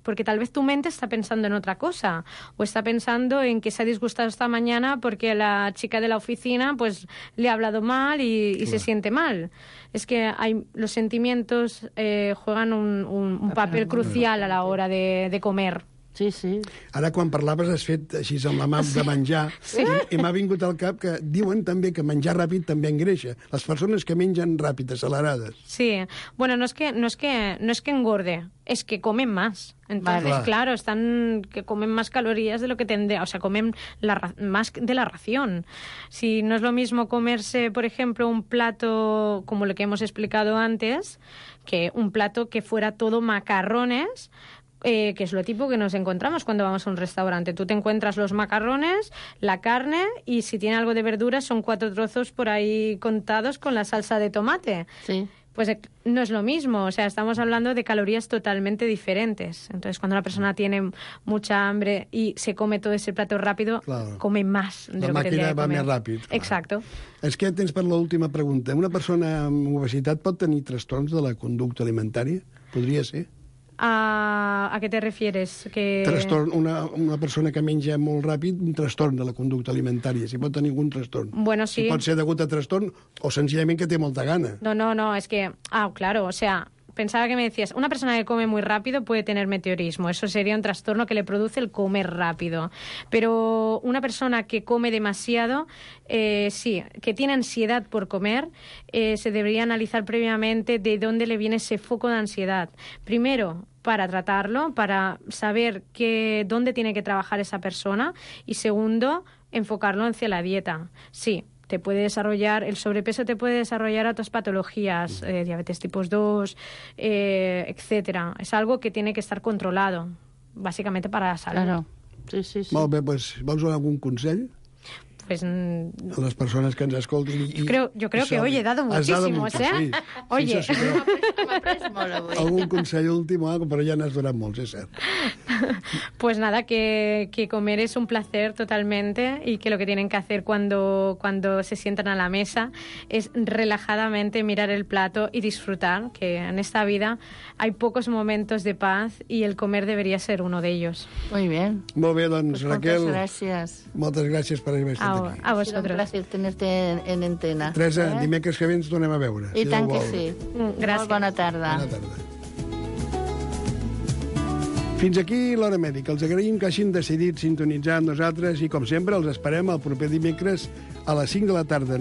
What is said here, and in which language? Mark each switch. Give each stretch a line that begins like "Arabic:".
Spanish: Porque tal vez tu mente está pensando en otra cosa o está pensando en que se ha disgustado esta mañana porque la chica de la oficina pues le ha hablado mal y se siente mal. Es que los sentimientos juegan un papel crucial a la hora de comer. Sí, sí.
Catalan: Ara, quan parlaves, has fet així amb la mà de menjar. Sí. I m'ha vingut al cap que diuen també que menjar ràpid també engreixa. Les persones que mengen ràpid, accelerades. Sí. Bueno, no és que engorde, és que comen més.
Spanish: Entonces, claro, están que comen más calorías de lo que tendría, o sea, comen más de la ración. Si no es lo mismo comerse, por ejemplo, un plato como lo que hemos explicado antes, que un plato que fuera todo macarrones, que es lo típico que nos encontramos cuando vamos a un restaurante. Tú te encuentras los macarrones, la carne, y si tiene algo de verduras, son cuatro trozos por ahí contados con la salsa de tomate. Sí. Pues no es lo mismo, o sea, estamos hablando de calorías totalmente diferentes. Entonces, cuando una persona tiene mucha hambre y se come todo ese plato rápido, come más de lo que tendría que comer.
Catalan: La màquina va més ràpid.
Spanish: Exacto.
Catalan: És que tens per l'última pregunta. Una persona amb obesitat pot tenir trastorns de la conducta alimentària? Podria ser? A què
Spanish: te refieres? Que...
Catalan: Trastorn, una persona que menja molt ràpid, un trastorn de la conducta alimentària, si pot tenir algun trastorn. Bueno, sí. Si pot ser degut a trastorn o senzillament que té molta gana. No, és que...
Spanish: Ah, claro, o sea... Pensaba que me decías, una persona que come muy rápido puede tener meteorismo. Eso sería un trastorno que le produce el comer rápido. Pero una persona que come demasiado, sí, que tiene ansiedad por comer, se debería analizar previamente de dónde le viene ese foco de ansiedad. Primero, para tratarlo, para saber dónde tiene que trabajar esa persona. Y segundo, enfocarlo hacia la dieta. Sí. Te puede desarrollar, el sobrepeso te puede desarrollar otras patologías, diabetes tipo 2, etcétera. Es algo que tiene que estar controlado, básicamente para la salud. Claro, sí.
Catalan: Molt bé, pues, ¿vols donar algún consell?
Spanish: Pues...
Catalan: A les persones que ens escolten i...
Spanish: Yo creo que hoy he dado muchísimos, dado muchos, ¿eh? Sí. Oye.
Catalan: Sí, m'ha pres molt avui. Algún consell últim, però ja n'has donat molts, és cert.
Spanish: Pues nada, que comer es un placer totalmente y que lo que tienen que hacer cuando se sientan a la mesa es relajadamente mirar el plato y disfrutar, que en esta vida hay pocos momentos de paz y el comer debería ser uno de ellos. Muy bien. Muy bien, doncs, Raquel. Muchas gracias.
Catalan: Moltes gràcies per haver estat aquí.
Spanish: A vosotros. Un placer tenerte en antena.
Catalan: Teresa, dimecres que ve ens tornem a veure. I tant que sí. Gràcies. Molt bona tarda. Bona tarda. Fins aquí l'Hora Mèdica. Els agraïm que hagin decidit sintonitzar amb nosaltres i, com sempre, els esperem el proper dimecres a les 5 de la tarda.